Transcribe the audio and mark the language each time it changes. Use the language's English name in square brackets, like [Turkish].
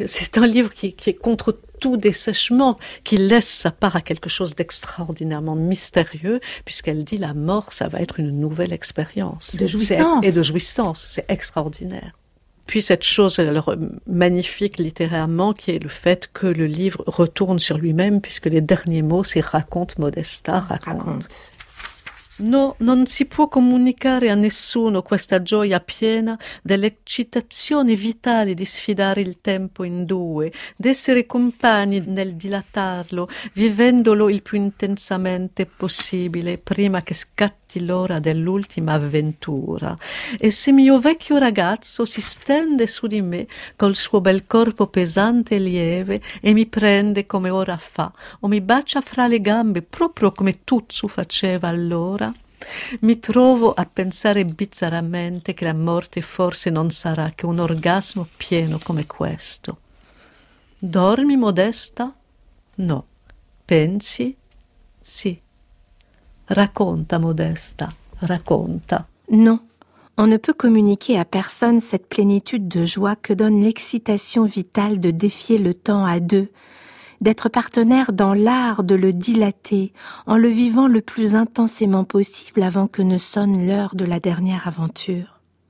[French] C'est un livre qui est contre tout dessèchement, qui laisse sa part à quelque chose d'extraordinairement mystérieux, puisqu'elle dit la mort, ça va être une nouvelle expérience. De jouissance. Et de jouissance, c'est extraordinaire. Puis cette chose alors, magnifique littérairement, qui est le fait que le livre retourne sur lui-même, puisque les derniers mots, c'est [Italian] raconte Modesta, raconte. No, non si può comunicare a nessuno questa gioia piena dell'eccitazione vitale di sfidare il tempo in due, d'essere compagni nel dilatarlo, vivendolo il più intensamente possibile prima che scatti l'ora dell'ultima avventura. E se mio vecchio ragazzo si stende su di me col suo bel corpo pesante e lieve e mi prende come ora fa, o mi bacia fra le gambe proprio come Tutsu faceva allora, mi trovo a pensare bizzarramente che la morte forse non sarà che un orgasmo pieno come questo. Dormi, Modesta? No. Pensi? Sì. Racconta, Modesta, racconta. [French] Non, on ne peut communiquer à personne cette plénitude de joie que donne l'excitation vitale de défier le temps à deux, d'être partenaire dans l'art de le dilater en le vivant le plus intensément possible avant que ne sonne l'heure de la dernière aventure.